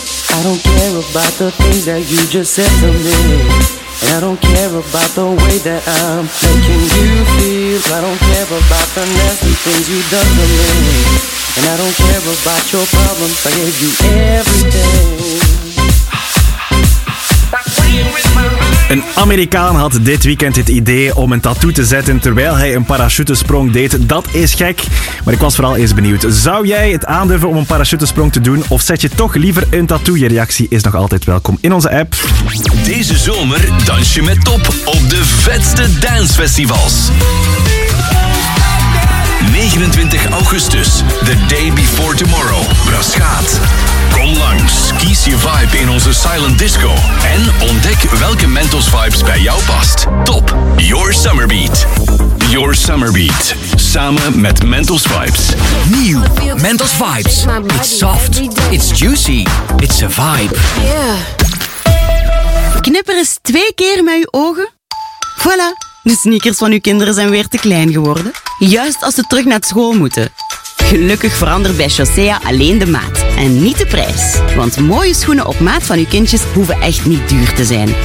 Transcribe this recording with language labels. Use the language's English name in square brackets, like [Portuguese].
[English] I don't care about the things that you just said to me. And I don't care about the way that I'm making you feel. I don't care about the nasty things you done to me. And I don't care about your problems, I gave you everything. [Dutch] Een Amerikaan had dit weekend het idee om een tattoo te zetten terwijl hij een parachutesprong deed. Dat is gek, maar ik was vooral eens benieuwd. Zou jij het aandurven om een parachutesprong te doen of zet je toch liever een tattoo? Je reactie is nog altijd welkom in onze app. Deze zomer dans je met Top op de vetste dancefestivals. [English] 29 augustus, the day before tomorrow, Braschaat. [Dutch] Kom langs, kies je vibe in onze silent disco en ontdek welke Mentos vibes bij jou past. [English] Top, your summer beat. Your summer beat, samen met Mentos vibes. [Dutch] Nieuw, Mentos vibes. [English] It's soft, it's juicy, it's a vibe. Yeah. [Dutch] Knipper eens twee keer met je ogen. Voilà. De sneakers van uw kinderen zijn weer te klein geworden. Juist als ze terug naar school moeten. Gelukkig verandert bij Chaussea alleen de maat en niet de prijs. Want mooie schoenen op maat van uw kindjes hoeven echt niet duur te zijn.